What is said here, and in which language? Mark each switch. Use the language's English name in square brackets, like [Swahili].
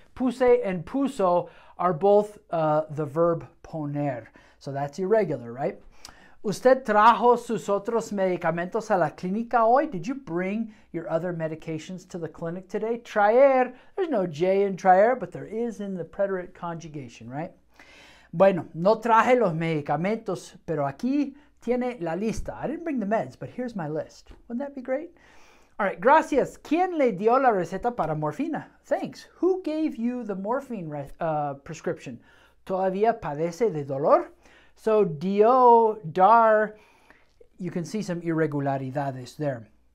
[English] Puse and puso are both the verb poner. So that's irregular, right? [Spanish] ¿Usted trajo sus otros medicamentos a la clínica hoy? [English] Did you bring your other medications to the clinic today? Traer, there's no J in traer, but there is in the preterite conjugation, right? [Spanish] Bueno, no traje los medicamentos, pero aquí tiene la lista. [English] I didn't bring the meds, but here's my list. Wouldn't that be great? All right, [Spanish] gracias. ¿Quién le dio la receta para morfina? [English] Thanks. Who gave you the morphine prescription? [Spanish] ¿Todavía padece de dolor? [English] So, dio, dar, you can see some irregularidades there.